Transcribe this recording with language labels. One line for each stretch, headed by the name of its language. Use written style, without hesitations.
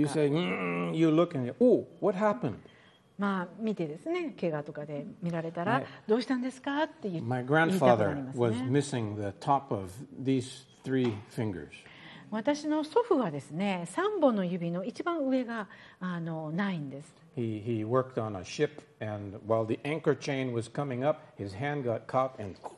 English: You say, you look and you, oh, what happened?
Japanese: まあ見てですね、怪我とかで見られたらどうしたんですかって言いたくなりますね。
English: My grandfather was missing the top of these three fingers.
Japanese: 私の祖父はですね、三本の指の一番上がないんです。
English: He worked on a ship and while the anchor chain was coming up, his hand got caught and...